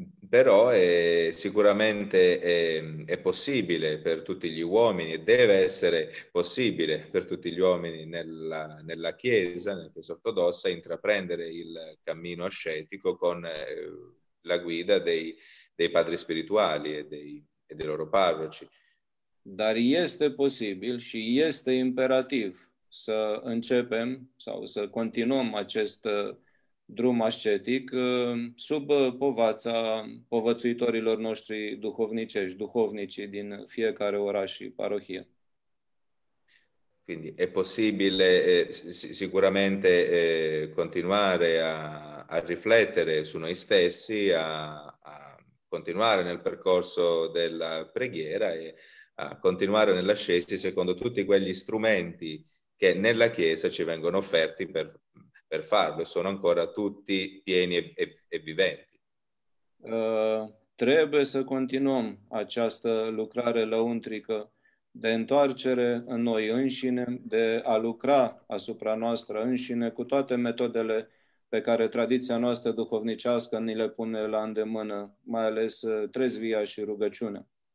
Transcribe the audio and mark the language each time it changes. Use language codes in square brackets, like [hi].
[it] Però sicuramente è possibile per tutti gli uomini, deve essere possibile per tutti gli uomini nella Chiesa ortodossa, intraprendere il cammino ascetico con la guida dei padri spirituali e dei loro parroci. [ro] Dar este posibil și este imperativ să începem sau să continuăm acest drum ascetic sub povața povățuitorilor noștri duhovnicești, duhovnicii din fiecare oraș și parohie. [it] Quindi è possibile sicuramente continuare a riflettere su noi stessi, a continuare nel percorso della preghiera e a continuare nell'ascesi secondo tutti quegli strumenti che nella Chiesa ci vengono offerti per farlo e sono ancora tutti pieni e viventi. [ro] Trebuie să continuăm această lucrare lăuntrică de întoarcere în noi înșine, de a lucra asupra noastră înșine cu toate metodele pe care tradiția noastră duhovnicească ni le pune la îndemână, mai ales trezvia și rugăciunea.